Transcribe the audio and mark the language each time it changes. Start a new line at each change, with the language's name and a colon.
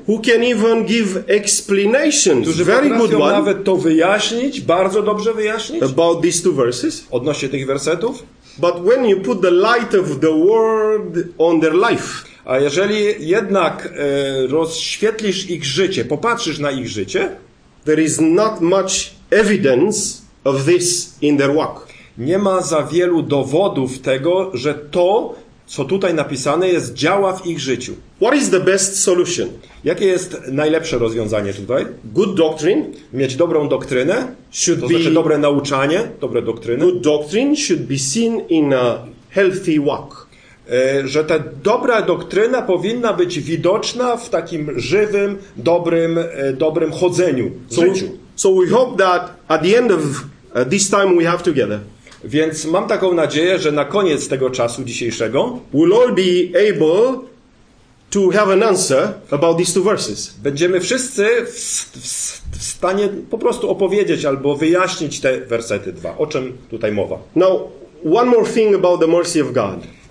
English: who can even give explanations,
Polish: którzy
English: very good one,
Polish: nawet to wyjaśnić, bardzo dobrze wyjaśnić,
English: about these two verses,
Polish: odnośnie tych wersetów.
English: But when you put the light of the word on their life,
Polish: a jeżeli jednak rozświetlisz ich życie, popatrzysz na ich życie,
English: there is not much evidence of this in their walk.
Polish: Nie ma za wielu dowodów tego, że to, co tutaj napisane jest, działa w ich życiu.
English: What is the best solution?
Polish: Jakie jest najlepsze rozwiązanie tutaj?
English: Good doctrine.
Polish: Mieć dobrą doktrynę.
English: Should
Polish: to znaczy dobre nauczanie, dobre doktryny.
English: Good doctrine should be seen in a healthy walk.
Polish: Że ta dobra doktryna powinna być widoczna w takim żywym, dobrym chodzeniu w życiu.
English: So we hope that at the end of this time we have together,
Polish: więc mam taką nadzieję, że na koniec tego czasu dzisiejszego
English: we'll all be able to have an answer about these two verses.
Polish: Będziemy wszyscy w stanie po prostu opowiedzieć albo wyjaśnić te wersety dwa, o czym tutaj mowa.
English: Now, one more thing about the mercy of God.